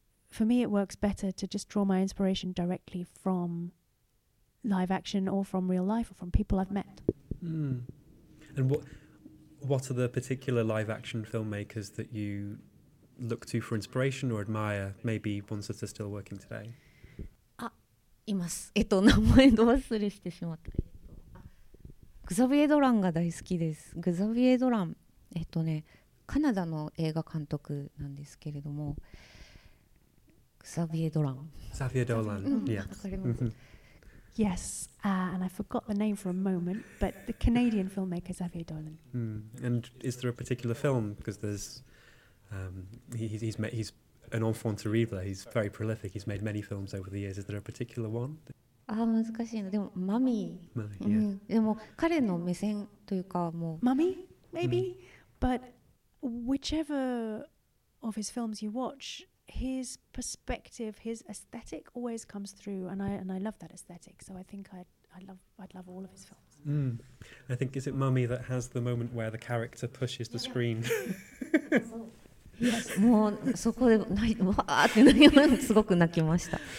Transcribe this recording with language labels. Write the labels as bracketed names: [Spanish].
[English] for me, it works better to just draw my inspiration directly from live action or from real life or from people I've met. Mm. And what are the particular live action filmmakers that you look to for inspiration or admire, maybe ones that are still working today? [Japanese] います。名前ど忘れしてしまった。グザビエ・ドランが大好きです。グザビエ・ドラン、カナダの映画監督なんですけれども、グザビエ・ドラン。ザビエ・ドラン、 [English] Yes, and I forgot the name for a moment, but the Canadian filmmaker Xavier Dolan. Mm. And is there a particular film? Because there's, he's an enfant terrible. He's very prolific. He's made many films over the years. Is there a particular one? [Japanese] Ah, 難しいな。でも、Mummy. [English] Yeah. [Japanese] でも、彼の目線というか、もう [English] Mummy, maybe. But whichever of his films you watch, his perspective, his aesthetic always comes through, and I love that aesthetic. So I think I'd love all of his films. Mm. I think is it Mummy that has the moment where the character pushes the screen. Yes. [Japanese] もうそこで泣いてわーって泣きました。